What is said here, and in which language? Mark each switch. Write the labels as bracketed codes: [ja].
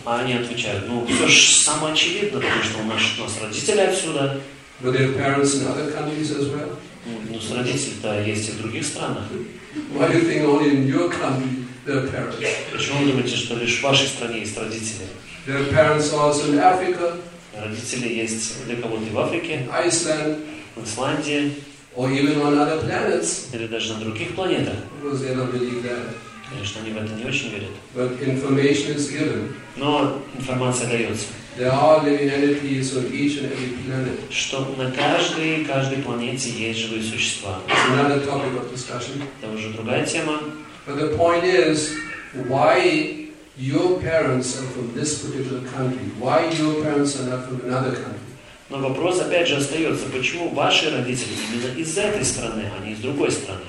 [ru] А они отвечают, ну все же самое очевидное, потому что у нас родители отсюда. [en] But their parents in other countries as well? [ru] Ну, с родителями-то есть и в других странах. [en] Why do you think only in your country there are parents? [ru] Почему вы думаете, что лишь в вашей стране есть родители? [en] There are parents also in Africa. [ru] Родители есть для кого-то и в Африке. [en] Iceland. [ru] В Исландии. [en] Or even on other planets. [ru] Или даже на других планетах. [en] Because they don't believe that. [ru] Конечно, они в это не очень верят. [en] But information is given. [ru] Но информация дается. [en] There are living entities on each and every planet. [ru] Что на каждой планете есть живые существа. [en] It's another topic of discussion. [ru] Это уже другая тема. [en] But the point is, why your parents are from this particular country? Why your parents are not from another country? [ru] Но вопрос опять же остается, почему ваши родители именно из этой страны, а не из другой страны?